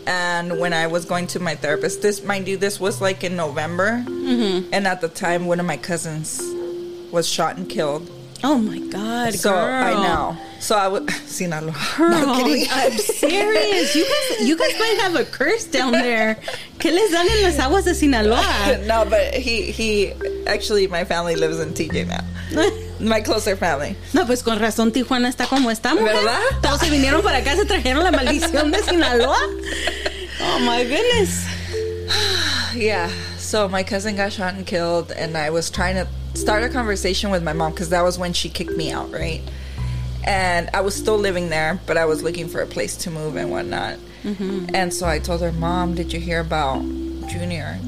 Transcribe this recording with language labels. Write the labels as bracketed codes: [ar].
[en] And when I was going to my therapist, this, mind you, this was like in November. Mm-hmm. And at the time, one of my cousins was shot and killed. Oh, my God, so, girl. I know. So I was... Sinaloa. Girl, no kidding. I'm serious. You guys might have a curse down there. [es] ¿Qué les dan en las aguas de Sinaloa? [en] No, but he... Actually, my family lives in TJ now. My closer family. [es] No, pues con razón Tijuana está como está, mujer. ¿Verdad? Todos se vinieron para acá, se trajeron la maldición de Sinaloa. [en] Oh, my goodness. Yeah. So my cousin got shot and killed, and I was trying to start a conversation with my mom because that was when she kicked me out, right? And I was still living there, but I was looking for a place to move and whatnot. Mm-hmm. And so I told her, Mom, did you hear about Junior?